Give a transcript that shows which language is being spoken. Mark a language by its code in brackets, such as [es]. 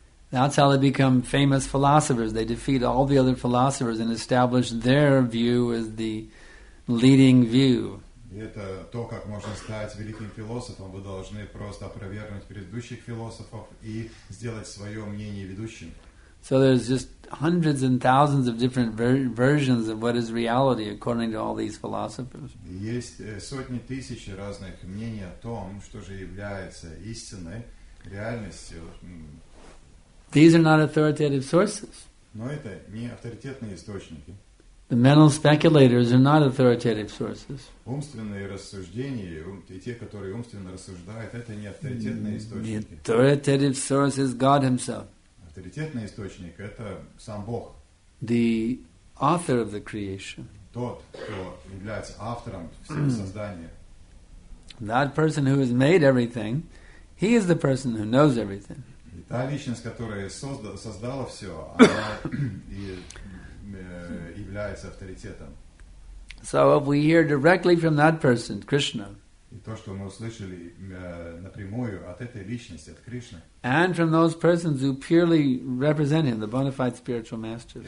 [en] That's how they become famous philosophers. They defeat all the other philosophers and establish their view as the leading view. [ru] И это то, как можно стать великим философом. Вы должны просто опровергнуть предыдущих философов и сделать свое мнение ведущим. [en] So there's just hundreds and thousands of different versions of what is reality according to all these philosophers. [ru] Есть сотни тысяч разных мнений о том, что же является истиной, реальностью. [en] These are not authoritative sources. [ru] Но это не авторитетные источники. [en] The mental speculators are not authoritative sources. [ru] Умственные рассуждения и те, которые умственно рассуждают, это не авторитетные источники. [en] The authoritative source is God Himself. [ru] Авторитетный источник – это сам Бог. [en] The author of the creation. [ru] Тот, кто является автором всего создания. [en] That person who has made everything, he is the person who knows everything. [ru] И та личность, которая создала все, она и является авторитетом. [en] So if we hear directly from that person, Krishna, [ru] и то, что мы услышали напрямую от этой личности, от Кришны, [en] and from those persons who purely represent him, the bona fide spiritual masters,